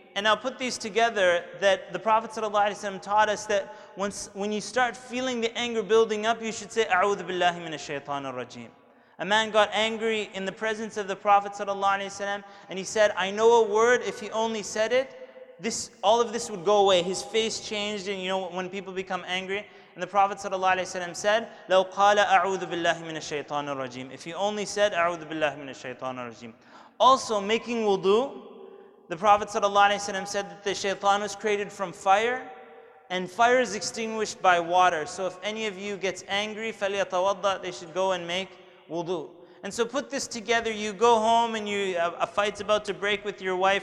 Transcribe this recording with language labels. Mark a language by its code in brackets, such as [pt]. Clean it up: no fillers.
[en] And I'll put these together that the Prophet ﷺ taught us that when you start feeling the anger building up, you should say, [ar] أَعُوذُ بِاللَّهِ مِنَ الشَّيْطَانِ الرَّجِيمِ. [en] A man got angry in the presence of the Prophet ﷺ and he said, I know a word, if he only said it, this all of this would go away. His face changed, and you know when people become angry. And the Prophet ﷺ said, [ar] لَوْ قَالَ أَعُوذُ بِاللَّهِ مِنَ الشَّيْطَانِ الرَّجِيمِ. [en] If he only said, [ar] أَعُوذُ بِاللَّهِ مِنَ الشَّيْطَانِ الرَّجِيمِ. [en] Also, making wudu, the Prophet ﷺ said that the shaitan was created from fire, and fire is extinguished by water. So if any of you gets angry, [ar] فَلْيَتَوَضَّأ, [en] they should go and make wudu. And so put this together, you go home and you a fight's about to break with your wife.